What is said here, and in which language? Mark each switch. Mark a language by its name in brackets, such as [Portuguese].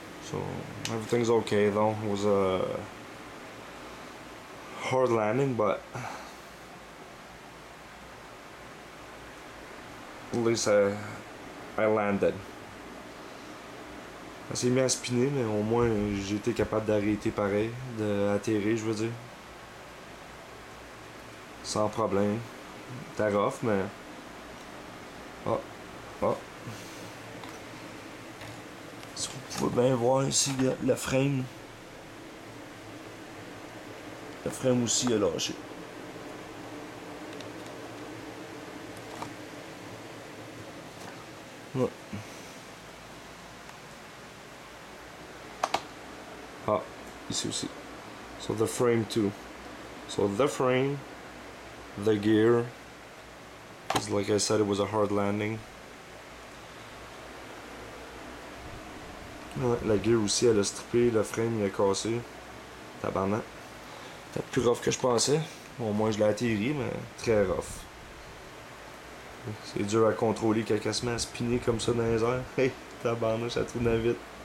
[English] So, everything's okay though. It was a hard landing, but at least I landed. [French] Ça s'est mis à spinner, mais au moins j'ai été capable d'arrêter pareil, d'atterrir, je veux dire. Sans problème. T'as rough, mais. Oh! Oh! Vous pouvez bien voir ici le frame. Le frame aussi a lâché. Ouais. Ah, ici aussi. [English] So the frame too. So the frame, the gear. Because like I said, it was a hard landing. [French] La gear aussi, elle a strippé, le frame il a cassé. Tabarnak. Peut-être plus rough que je pensais. Bon, au moins, je l'ai atterri, mais très rough. C'est dur à contrôler quand elle se met à spinner comme ça dans les airs. Hey, tabarnak, ça tourne vite.